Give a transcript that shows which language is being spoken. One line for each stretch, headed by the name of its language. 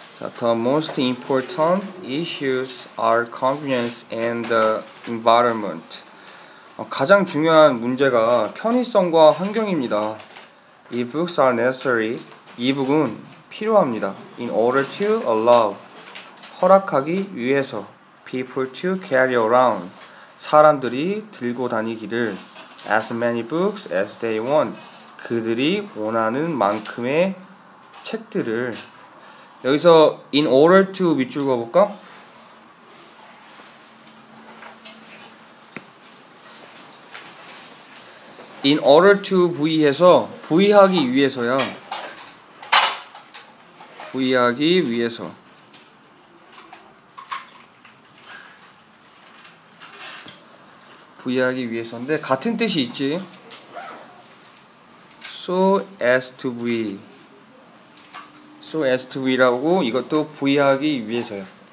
English: The most important issues are convenience and the environment.
Korean: 가장 중요한 문제가 편의성과 환경입니다.
English: E-books are necessary.
Korean: E-book은 필요합니다.
English: In order to allow,
Korean: 허락하기 위해서.
English: People to carry around,
Korean: 사람들이 들고 다니기를.
English: As many books as they want,
Korean: 그들이 원하는 만큼의 책들을. 여기서 in order to 밑줄 그어볼까? In order to 부의해서 부의하기 위해서야 부의하기 위해서 부의하기 위해서인데 같은 뜻이 있지
English: so as to
Korean: 부의 so as to 부의라고 이것도 부의하기 위해서야